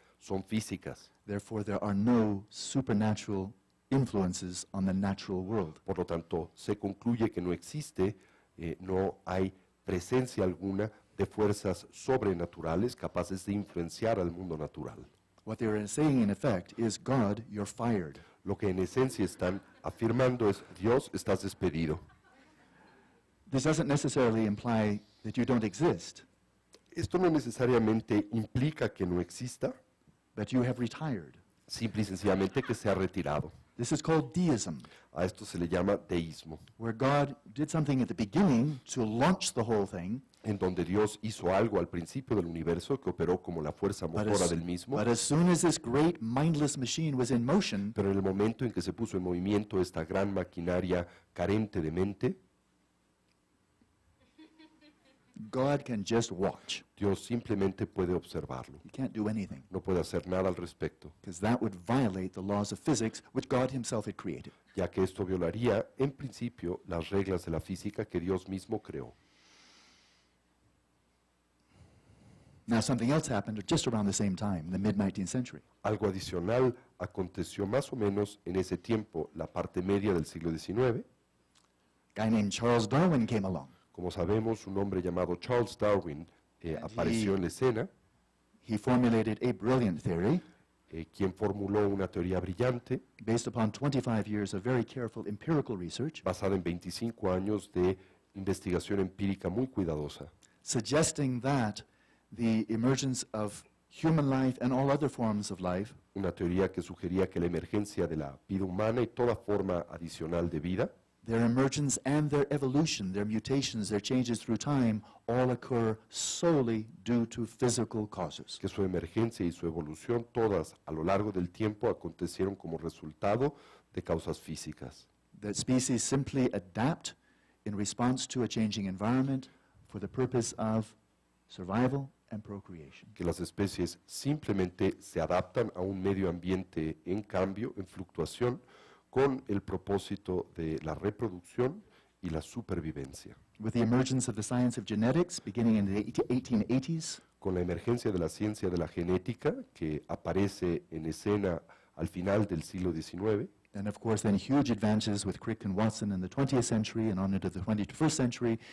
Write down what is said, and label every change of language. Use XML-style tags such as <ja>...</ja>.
<es>Son físicas.</es> <en>Therefore, there are no supernatural influences on the natural world.</en> <es>Por lo tanto, se concluye que no existe, no hay presencia alguna de fuerzas sobrenaturales capaces de influenciar al mundo natural.</es> <en>What they are saying in effect is, God, you're fired.</en> <es>Lo que en esencia están afirmando es, Dios, estás despedido.</es> <en>This doesn't necessarily imply that you don't exist.</en> <es>Esto no necesariamente implica que no exista.</es> <en>But you have retired.</en> <es>Simple y sencillamente que se ha retirado.</es> <en>This is called deism.</en> <es>A esto se le llama deísmo.</es> <en>Where God did something at the beginning to launch the whole thing.</en> <es>En donde Dios hizo algo al principio del universo que operó como la fuerza motora del mismo.</es> <en>But as soon as this great mindless machine was in motion,</en> <es>pero en el momento en que se puso en movimiento esta gran maquinaria carente de mente,</es> <en>God can just watch.</en> <es>Dios simplemente puede observarlo.</es> <en>He can't do anything.</en> <es>No puede hacer nada al respecto.</es> <en>Because that would violate the laws of physics which God himself had created.</en> <es>Ya que esto violaría, en principio, las reglas de la física que Dios mismo creó.</es> <en>Now something else happened just around the same time, the mid-19th century.</en> <es>Algo adicional aconteció más o menos en ese tiempo, la parte media del siglo XIX.</es> <en>A guy named Charles Darwin came along.</en> <es>Como sabemos, un hombre llamado Charles Darwin apareció en la escena.</es> <en>He formulated a brilliant theory,</en> <es>quien formuló una teoría brillante</es> <en>based upon 25 years of very careful empirical research,</en> <es>basada en 25 años de investigación empírica muy cuidadosa,</es> <en>suggesting that the emergence of human life and all other forms of life,</en> <es>una teoría que sugería que la emergencia de la vida humana y toda forma adicional de vida,</es> <en>their emergence and their evolution, their mutations, their changes through time, all occur solely due to physical causes.</en> <es>Que su emergencia y su evolución todas a lo largo del tiempo acontecieron como resultado de causas físicas.</es> <en>That species simply adapt in response to a changing environment for the purpose of survival and procreation.</en> <es>Que las especies simplemente se adaptan a un medio ambiente en cambio, en fluctuación, con el propósito de la reproducción y la supervivencia.</es> <en>With the emergence of the science of genetics beginning in the 1880s,</en> <es>con la emergencia de la ciencia de la genética que aparece en escena al final del siglo XIX,</es> <en>And of course, then huge advances with Crick and Watson in the 20th century and on into the 21st century.</en>